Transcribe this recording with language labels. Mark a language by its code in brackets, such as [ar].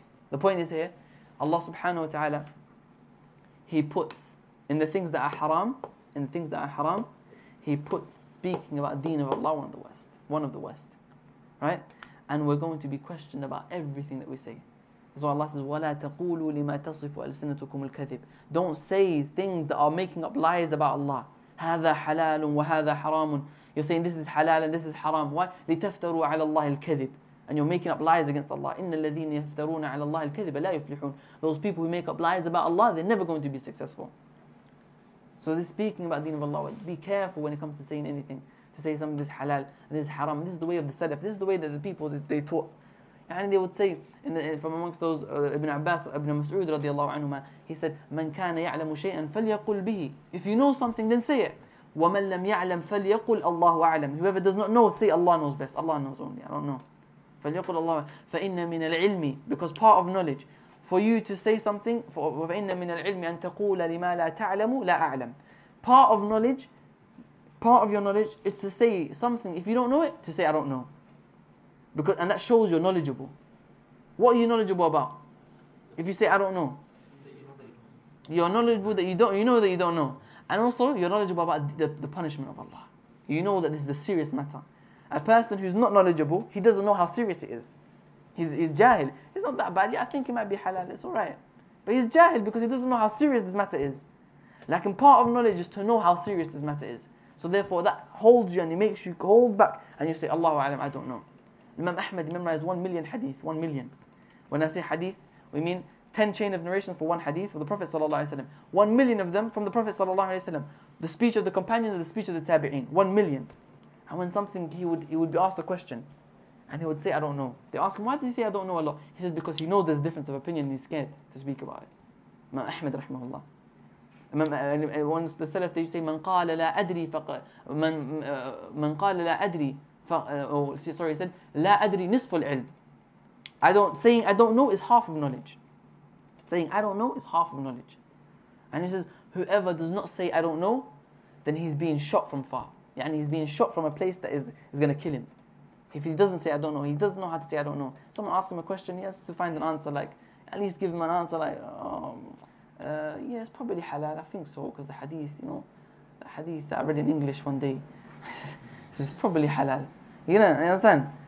[en] The point is here, Allah subhanahu wa ta'ala, He puts in the things that are haram, He puts speaking about deen of Allah one of the worst. Right? And we're going to be questioned about everything that we say. So Allah says, [ar] وَلَا تَقُولُوا لِمَا تَصِفُ أَلْسِنَتُكُمُ الْكَذِبُ. [en] Don't say things that are making up lies about Allah. [ar] هَذَا حَلَالٌ وَهَذَا حَرَامٌ. [en] You're saying this is halal and this is haram. Why? [ar] لِتَفْتَرُوا عَلَى اللَّهِ الْكَذِبُ. [en] And you're making up lies against Allah. [ar] إِنَّ الَّذِينَ يَفْتَرُونَ عَلَى اللَّهِ الْكَذِبَ لَا يُفْلِحُونَ. [en] Those people who make up lies about Allah, they're never going to be successful. So this speaking about the deen of Allah, be careful when it comes to saying anything. to say something is halal, this is haram. This is the way of the Salaf. This is the way that the people that they taught. And they would say, in the, from amongst those, Ibn Abbas, Ibn Mas'ud radiallahu anhuma, he said, [ar] "Man kana ya'lamu shay'an falyaqul bihi." [en] If you know something, then say it. [ar] وَمَنْ لَمْ يَعْلَمْ فَلْيَقُلْ أَلَّهُ أَعْلَمْ. [en] Whoever does not know, say Allah knows best. Allah knows only. I don't know. [ar] فَلْيَقُلْ أَلَّهُ أَعْلَمْ. فَإِنَّ مِنَ الْعِلْمِ. [en] Because part of knowledge. For you to say something, [ar] فَإِنَّ مِنَ الْعِلْمِ أَنْ تَقُولَ لِمَا لَا تَعْلَمُ لَا أَعْلَمْ. [en] Part of knowledge, part of your knowledge is to say something. If you don't know it, to say I don't know. Because, and that shows you're knowledgeable. What are you knowledgeable about? If you say I don't know, you're knowledgeable that you know that you don't know. And also, you're knowledgeable about the punishment of Allah. You know that this is a serious matter. A person who's not knowledgeable, he doesn't know how serious it is. He's jahil. He's not that bad. Yeah, I think he might be halal. It's alright. But he's jahil because he doesn't know how serious this matter is. Like, and part of knowledge is to know how serious this matter is. So therefore, that holds you and it makes you hold back. And you say, Allahu alam, I don't know. Imam Ahmad memorized 1 million hadith. 1 million. When I say hadith, we mean 10 chain of narration for one hadith of the Prophet sallallahu alaihi wasallam. 1 million of them from the Prophet sallallahu alaihi wasallam. The speech of the companions and the speech of the tabi'een. 1 million. And when something, he would be asked a question. And he would say, I don't know. They ask him, why did he say, I don't know a lot? He says, because he knows there's a difference of opinion and he's scared to speak about it. Imam Ahmad rahimahullah. Once the Salaf, they say, [ar] من قال لا أدري من قال لا أدري [en] sorry, he said, [ar] لا أدري نصف العلم. [en] Saying I don't know is half of knowledge. Saying I don't know is half of knowledge. And he says, whoever does not say I don't know, then he's being shot from far. And he's being shot from a place that is going to kill him. If he doesn't say I don't know, he doesn't know how to say I don't know. Someone asks him a question, he has to find an answer, like, at least give him an answer, like, yeah, it's probably halal, I think so, because the hadith, you know, the hadith that I read in English one day, it's probably halal. You know, you understand?